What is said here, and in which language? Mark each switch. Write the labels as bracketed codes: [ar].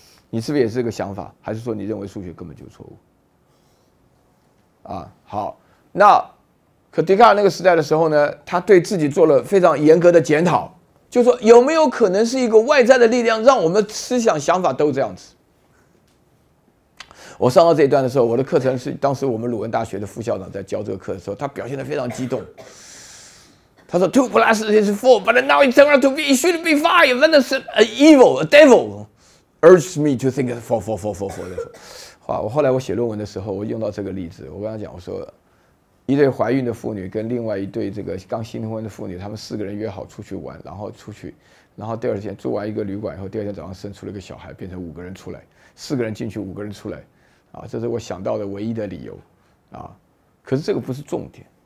[zh] 你是不是也是这个想法？还是说你认为数学根本就错误？啊，好，那可笛卡尔那个时代的时候呢，他对自己做了非常严格的检讨，就是说有没有可能是一个外在的力量让我们思想想法都这样子？我上到这一段的时候，我的课程是当时我们鲁文大学的副校长在教这个课的时候，他表现得非常激动。他说 [en] ,2 plus is 4, but now it turns out to be, it should be 5, when it's an evil, a devil, urges me to think it's 4. [zh] 我后来我写论文的时候我用到这个例子，我跟他讲，我说一对怀孕的妇女跟另外一对这个刚新婚的妇女，他们四个人约好出去玩，然后出去，然后第二天住完一个旅馆以后，第二天早上生出了一个小孩，变成五个人出来，四个人进去，五个人出来，啊，这是我想到的唯一的理由，啊，可是这个不是重点。